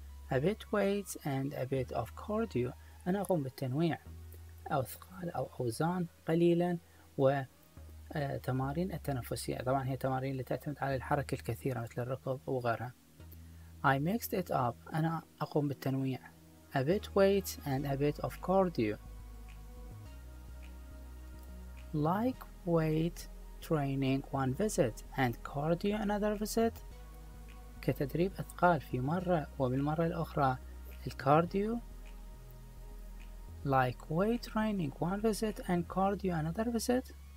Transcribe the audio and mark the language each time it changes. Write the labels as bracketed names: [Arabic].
[English] A bit weights and a bit of cardio. [Arabic] أنا أقوم بالتنويع، أثقال أو أوزان قليلا وتمارين التنفسية. طبعا هي تمارين اللي تعتمد على الحركة الكثيرة مثل الركض وغيرها. [English] I mixed it up. [Arabic] أنا أقوم بالتنويع. [English] A bit weight and a bit of cardio. Like weight training one visit and cardio another visit. [Arabic] كتدريب أثقال في مرة وبالمرة الأخرى الكارديو. [English] Like weight training one visit and cardio another visit.